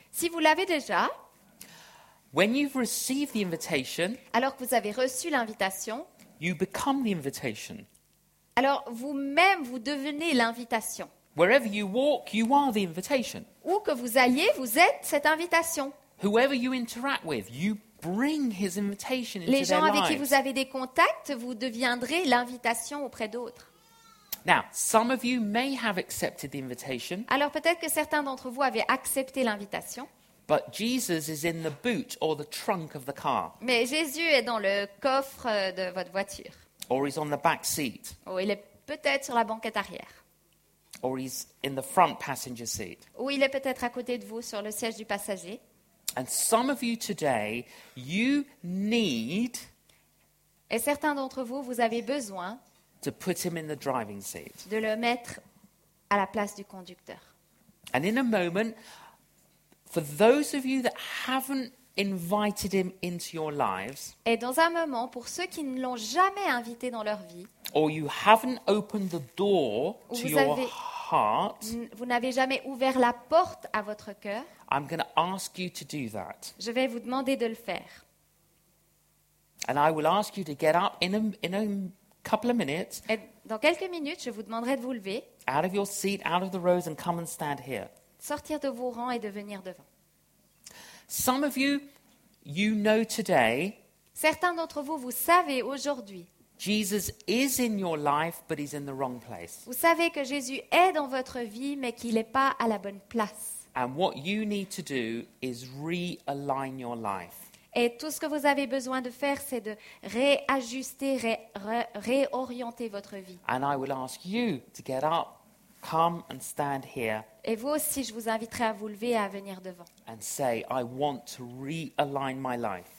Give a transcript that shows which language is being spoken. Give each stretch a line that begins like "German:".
French: si vous l'avez déjà,
English: when you've received the invitation,
French: alors que vous avez reçu l'invitation,
English: you become the invitation.
French: Alors vous-même, vous devenez l'invitation.
English: Wherever you walk, you are the invitation.
French: Où que vous alliez, vous êtes cette invitation.
English: Whoever you interact with, you bring his invitation into their lives.
French: Les gens avec qui vous avez des contacts, vous deviendrez l'invitation auprès d'autres.
English: Now, some of you may have accepted the invitation.
French: Alors peut-être que certains d'entre vous avaient accepté l'invitation.
English: But Jesus is in the boot or the trunk of the car.
French: Mais Jésus est dans le coffre de votre voiture.
English: Or he's on the back seat.
French: Ou il est peut-être sur la banquette arrière.
English: or he's in the front passenger seat.
French: Ou il est peut-être à côté de vous sur le siège du passager.
English: And some of you today, you need.
French: Et certains d'entre vous, vous avez besoin.
English: To put him in the driving seat.
French: De le mettre à la place du conducteur.
English: And in a moment, for those of you that haven't invited him into your lives.
French: Et dans un moment, pour ceux qui ne l'ont jamais invité dans leur vie.
English: Or you haven't opened the door to your heart.
French: Vous n'avez jamais ouvert la porte à votre cœur.
English: I'm going to ask you to do that.
French: Je vais vous demander de le faire.
English: And I will ask you to get up in a couple of minutes.
French: Et dans quelques minutes, je vous demanderai de vous lever.
English: Out of your seat, out of the rows, and come and stand here.
French: Sortir de vos rangs et de venir devant.
English: Some of you know today.
French: Certains d'entre vous, vous savez aujourd'hui.
English: Jesus is in your life, but he's in the wrong place.
French: Vous savez que Jésus est dans votre vie, mais qu'il n'est pas à la bonne place.
English: And what you need to do is realign your life.
French: Et tout ce que vous avez besoin de faire, c'est de réajuster, réorienter votre vie.
English: And I will ask you to get up. Come and stand here.
French: Et vous aussi, je vous inviterai à vous lever et à venir devant.
English: And say, I want to realign my life.